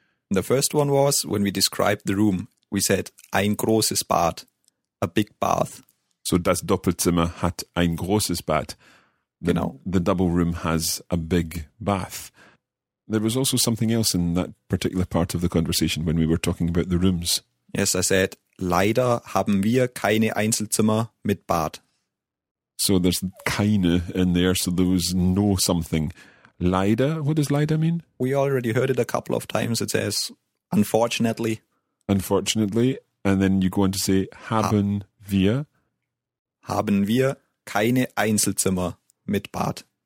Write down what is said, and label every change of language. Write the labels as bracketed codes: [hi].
[en] The first one was, when we described the room, we said, [de] ein großes Bad, [en] a big bath. [de] So, das Doppelzimmer hat ein großes Bad. Genau. [en] The double room has a big bath. There was also something else in that particular part of the conversation when we were talking about the rooms. Yes, I said, [de] leider haben wir keine Einzelzimmer mit Bad. [en] So there's keine in there, so there was no something. Leider, what does leider mean? We already heard it a couple of times. It says, unfortunately. Unfortunately, and then you go on to say, [de] haben wir. Haben wir keine Einzelzimmer mit Bad.